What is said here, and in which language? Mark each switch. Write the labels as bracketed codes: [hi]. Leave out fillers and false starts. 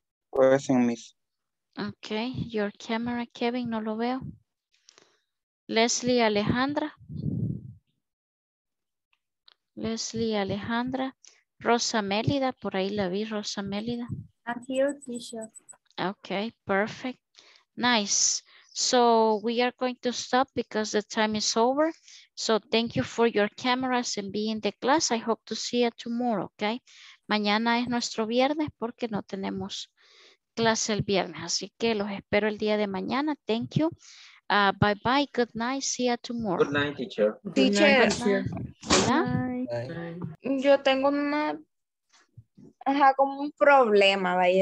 [en] Present, Miss. Ok, your camera, Kevin, [es] no lo veo. [en] Leslie Alejandra. Leslie Alejandra. [es] Rosa Mélida, por ahí la vi, Rosa Mélida. [en] I'm here, teacher. Ok, perfect. Nice. So we are going to stop because the time is over. So thank you for your cameras and being in the class. I hope to see you tomorrow, okay? [es] Mañana es nuestro viernes porque no tenemos clase el viernes. Así que los espero el día de mañana. [en] Thank you. Bye bye. Good night. See you tomorrow. Good night, teacher. Good teacher. Night, teacher. [es] Hola. [en] Bye. [es] Yo tengo una... Ajá, como un problema, vaya.